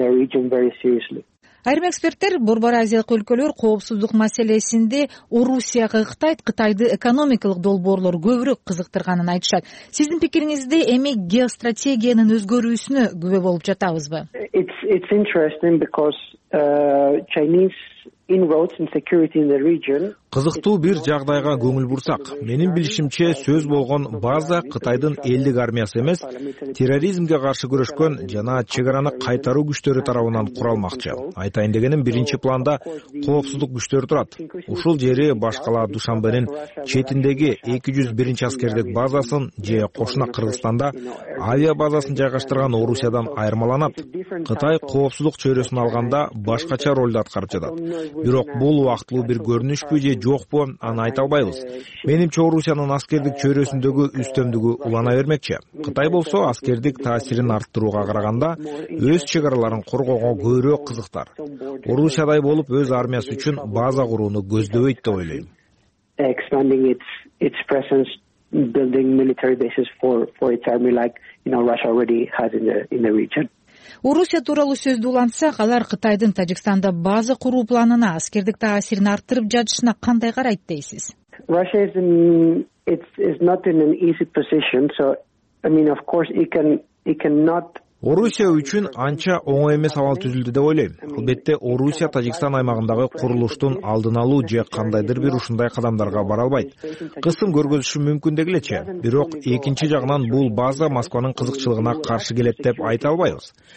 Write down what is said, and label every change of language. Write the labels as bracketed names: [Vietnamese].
[Kyrgyz] Айрым эксперттер Борбор Азиялык өлкөлөр коопсуздук маселесинде Орусияга ыктайт, Кытайды экономикалык долбоорлор көбүрөөк кызыктырганын айтышат. Сиздин пикириңизди эми геостратегиянын өзгөрүүсүнө күбө болуп жатабызбы? [English] It's interesting because Chinese inroads and security in the region. [Kyrgyz] Кызыктуу бир жагдайга көңүл бурсак, менин билишимче сөз болгон база Кытайдын элдик армиясы эмес, терроризмге каршы күрөшкөн жана чек араны кайтаруу күчтөрү тарабынан куралмакчы. Айтайын дегеним, биринчи планда коопсуздук күчтөрү турат. Ушул жери башкала Душанбенин четиндеги 201 аскердик базасын же кошуна Кыргызстанда авиа базасын жайгаштырган Орусиядан айырмаланат. Кытай коопсуздук чөйрөсүн алганда башкача ролду аткарып жатат. Бирок бул убактылуу бир көрүнүшпү же жокпу, аны айта албайбыз. Менимче Орусиянын аскердик чөйрөсүндөгү үстөмдүгү улана бермекчи. Кытай болсо аскердик таасирин арттырууга караганда өз чек араларын коргоого көбүрөөк кызыктар. Орусиядай болуп өз армиясы үчүн база курууну көздөбөйт деп ойлойм. [English] Expanding its presence, building military bases for its army like, you know, Russia already has in the region. [Kyrgyz] Орусия тууралуу сөздү улантсак, алар Кытайдын Тажикстанда база куруу планына аскердик таасирин арттырып жатышына кандай карайт дейсиз? [English] Russia is not in an easy position, so I mean, of course it cannot. [Kyrgyz] Орусия үчүн анча оңой эмес абал түзүлдү деп ойлойм. Албетте, Орусия Тажикстан аймагындагы курулуштун алдын алуу же кандайдыр бир ушундай кадамдарга бара албайт. Кысым көргөзүшү мүмкүн дегилечи, бирок экинчи жагынан бул база Москванын кызыкчылыгына каршы келет деп айта албайбыз.